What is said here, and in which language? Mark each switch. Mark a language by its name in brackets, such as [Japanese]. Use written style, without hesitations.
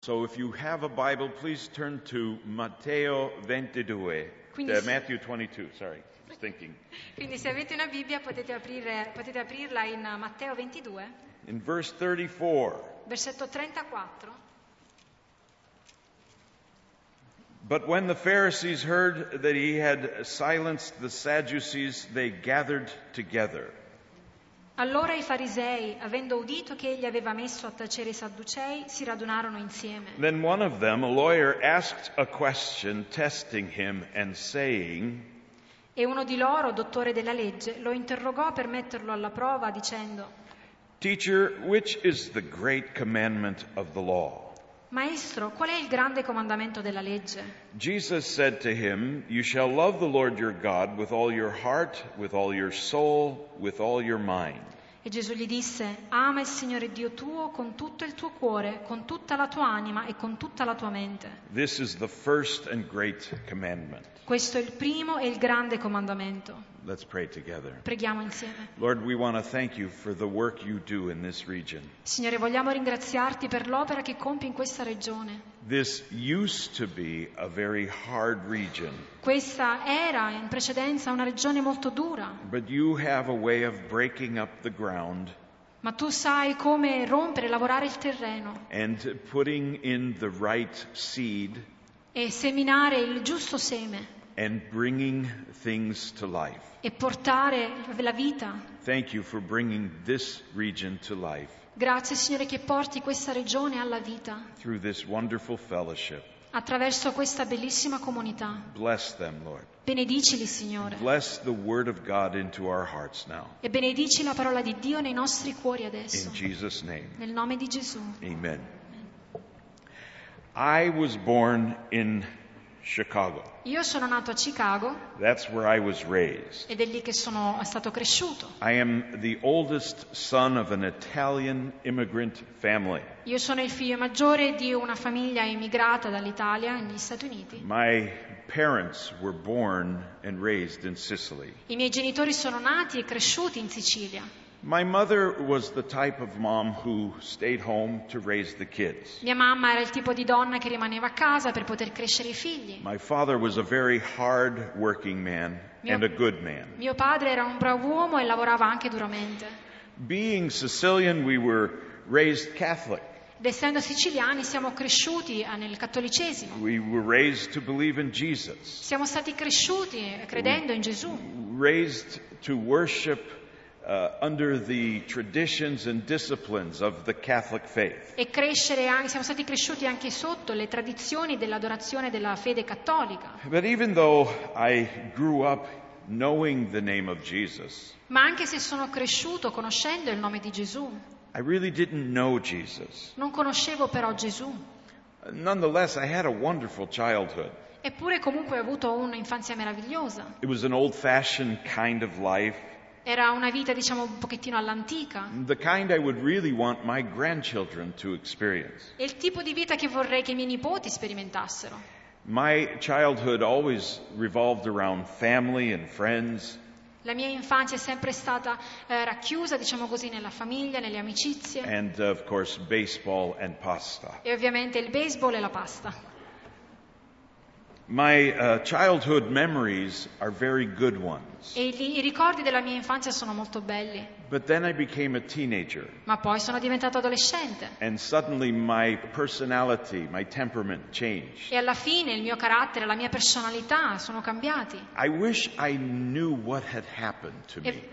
[English] So if you have a Bible, please turn to Matteo 22. Matthew 22, sorry, just thinking. [Italian] Quindi se avete una Bibbia potete aprirla in Matteo 22. [English] In verse 34. [Italian] Versetto 34. [English] But when the Pharisees heard that he had silenced the Sadducees, they gathered together. [Italian] Allora I farisei, avendo udito che egli aveva messo a tacere i sadducei, si radunarono insieme. [English] Then one of them, a lawyer, asked a question, testing him and saying. [Italian] E uno di loro, dottore della legge, lo interrogò per metterlo alla prova, dicendo. [English] Teacher, which is the great commandment of the law? [Italian] Maestro, qual è il grande comandamento della legge? [English] Jesus said to him, you shall love the Lord your God with all your heart, with all your soul, with all your mind. [Italian] E Gesù gli disse, ama il Signore Dio tuo con tutto il tuo cuore, con tutta la tua anima e con tutta la tua mente. [English] This is the first and great commandment. [Italian] Questo è il primo e il grande comandamento. [English] Let's pray together. [Italian] Preghiamo insieme. [English] Lord, we want to thank you for the work you do in this region. [Italian] Signore, vogliamo ringraziarti per l'opera che compi in questa regione. [English] This used to be a very hard region. [Italian] Questa era in precedenza una regione molto dura. [English] But you have a way of breaking up the ground. [Italian] Ma tu sai come rompere, lavorare il terreno. [English] And putting in the right seed. [Italian] E seminare il giusto seme. [English] And bringing things to life. [Italian] E portare la vita. [English] Thank you for bringing this region to life. [Italian] Grazie, Signore, che porti questa regione alla vita. [English] Through this wonderful fellowship. [Italian] Attraverso questa bellissima comunità. [English] Bless them, Lord. [Italian] Benedicili, Signore. [English] Bless the word of God into our hearts now. [Italian] E benedici la parola di Dio nei nostri cuori adesso. [English] In Jesus' name. [Italian] Nel nome di Gesù. [English] Amen. I was born in Chicago. [Italian] Io sono nato a Chicago. [English] That's where I was raised. [Italian] Ed è lì che sono stato cresciuto. [English] I am the oldest son of an Italian immigrant family. [Italian] Io sono il figlio maggiore di una famiglia emigrata dall'Italia negli Stati Uniti. [English] My parents were born and raised in Sicily. [Italian] I miei genitori sono nati e cresciuti in Sicilia. [English] My mother was the type of mom who stayed home to raise the kids. [Italian] Mia mamma era il tipo di donna che rimaneva a casa per poter crescere i figli. [English] My father was a very hard working man and a good man. [Italian] Mio padre era un bravo uomo e lavorava anche duramente. [English] Being Sicilian, we were raised Catholic. [Italian] Ed essendo siciliani, siamo cresciuti nel cattolicesimo. [English] We were raised to believe in Jesus. [Italian] Siamo stati cresciuti credendo in Gesù. [English] Raised to worship under the traditions and disciplines of the Catholic faith. [Italian] E crescere anche siamo stati cresciuti anche sotto le tradizioni dell'adorazione della fede cattolica. [English] But even though I grew up knowing the name of Jesus. [Italian] Ma anche se sono cresciuto conoscendo il nome di Gesù. [English] I really didn't know Jesus. [Italian] Non conoscevo però Gesù. [English] Nonetheless, I had a wonderful childhood. [Italian] Eppure comunque ho avuto un'infanzia meravigliosa. [English] It was an old-fashioned kind of life. [Italian] Era una vita, diciamo, un pochettino all'antica. [English] The kind I would really want my grandchildren to experience. [Italian] Il tipo di vita che vorrei che i miei nipoti sperimentassero. [English] My childhood always revolved around family and friends. [Italian] La mia infanzia è sempre stata racchiusa, diciamo così, nella famiglia, nelle amicizie. [English] And of course, baseball and pasta. [Italian] E ovviamente il baseball e la pasta. [English] My childhood memories are very good ones. [Italian] E i ricordi della mia infanzia sono molto belli. [English] But then I became a teenager. [Italian] Ma poi sono diventato adolescente. [English] And suddenly my personality, my temperament changed. [Italian] E alla fine il mio carattere, la mia personalità sono cambiati. [English] I wish I knew what had happened to me.